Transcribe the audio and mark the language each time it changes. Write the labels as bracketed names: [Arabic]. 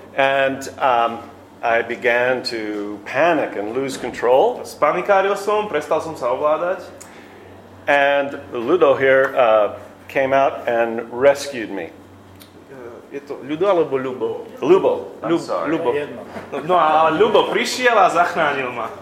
[English] And I began to panic and lose control. [Slovak] Spanikáril som, prestal som sa ovládať. [English] And Ludo here came out and rescued me. [Slovak] Je to Ľudo alebo Ľubo? Ľubo. Ľubo. No a Ľubo prišiel a zachránil ma.